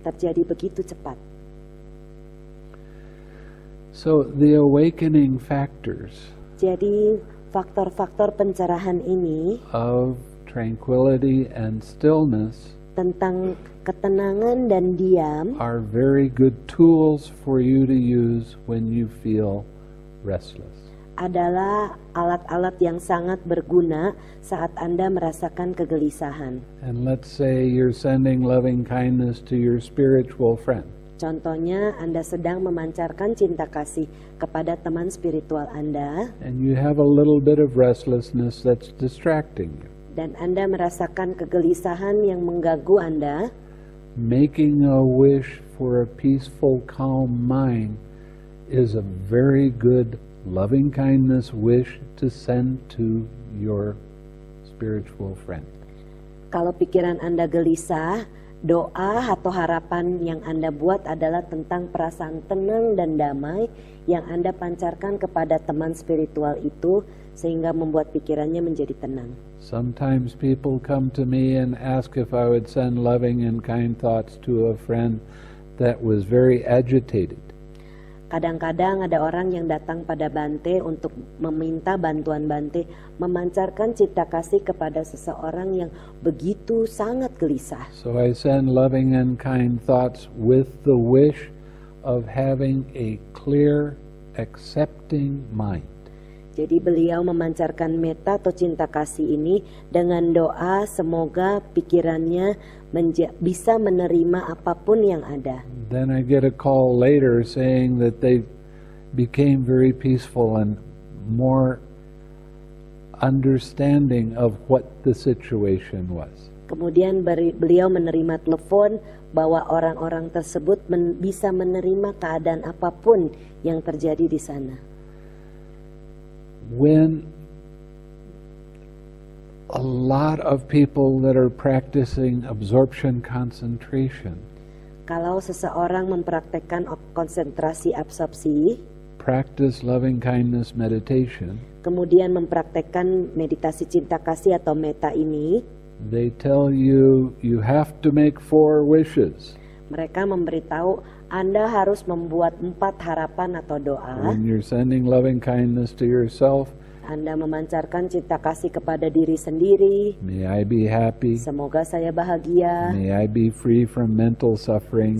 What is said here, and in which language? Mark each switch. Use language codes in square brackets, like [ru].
[id] Terjadi begitu cepat. [en] So the awakening factors. [id] Jadi faktor-faktor pencerahan ini [en] of tranquility and stillness [id] tentang ketenangan dan diam [en] are very good tools for you to use when you feel restless. [id] Adalah alat-alat yang sangat berguna saat Anda merasakan kegelisahan. [en] And let's say you're sending loving kindness to your spiritual friend. [id] Contohnya Anda sedang memancarkan cinta kasih kepada teman spiritual Anda. [en] And you have a little bit of restlessness that's distracting you. [id] Dan Anda merasakan kegelisahan yang mengganggu Anda. [en] Making a wish for a peaceful, calm mind is a very good loving kindness wish to send to your spiritual friend. [id] Kalau pikiran Anda gelisah doa atau harapan yang Anda buat adalah tentang perasaan tenang dan damai yang Anda pancarkan kepada teman spiritual itu sehingga membuat pikirannya menjadi tenang. [en] Sometimes people come to me and ask if I would send loving and kind thoughts to a friend that was very agitated. [id] Kadang-kadang ada orang yang datang pada Bante untuk meminta bantuan Bante memancarkan cinta kasih kepada seseorang yang begitu sangat gelisah. [en] So I send loving and kind thoughts with the wish of having a clear, accepting mind. [id] Jadi beliau memancarkan metta atau cinta kasih ini dengan doa semoga pikirannya bisa menerima apapun yang ada. [en] Then I get a call later saying that they became very peaceful and more understanding of what the situation was. [id] Kemudian beliau menerima telepon bahwa orang-orang tersebut bisa menerima keadaan apapun yang terjadi di sana. [en] When a lot of people that are practicing absorption concentration, [id] kalau seseorang mempraktikkan konsentrasi absorpsi, [en] practice loving kindness meditation, [id] kemudian mempraktikkan meditasi cinta kasih atau metta ini, [en] they tell you you have to make 4 wishes. [id] Mereka memberitahu Anda harus membuat 4 harapan atau doa. [en] When you're sending loving kindness to yourself, [id] Anda memancarkan cinta kasih kepada diri sendiri. [en] May I be happy. [id] Semoga saya bahagia. [en] May I be free from mental suffering.